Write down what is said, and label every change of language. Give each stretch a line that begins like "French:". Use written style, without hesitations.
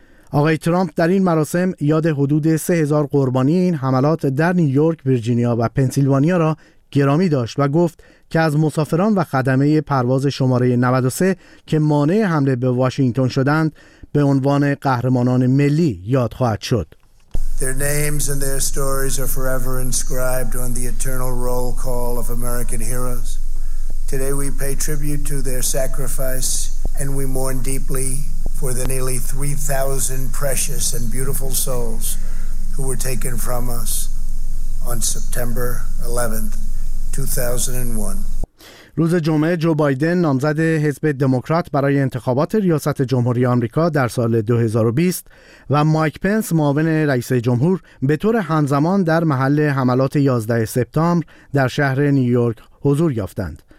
Persian: آقای ترامپ در این مراسم یاد حدود 3000 قربانی این حملات در نیویورک، ویرجینیا و پنسیلوانیا را گرامی داشت و گفت که از مسافران و خدمه پرواز شماره 93 که مانع حمله به واشنگتن شدند به عنوان قهرمانان ملی یاد خواهد شد.
English: Their names and their stories are forever inscribed on the eternal roll call of American heroes. Today we pay tribute to their sacrifice and we mourn deeply for the nearly 3000 precious and beautiful souls who were taken from us on September 11th. 2001.
Persian: روز جمعه جو بایدن نامزد حزب دموکرات برای انتخابات ریاست جمهوری آمریکا در سال 2020 و مایک پنس معاون رئیس جمهور به طور همزمان در محل حملات 11 سپتامبر در شهر نیویورک حضور یافتند.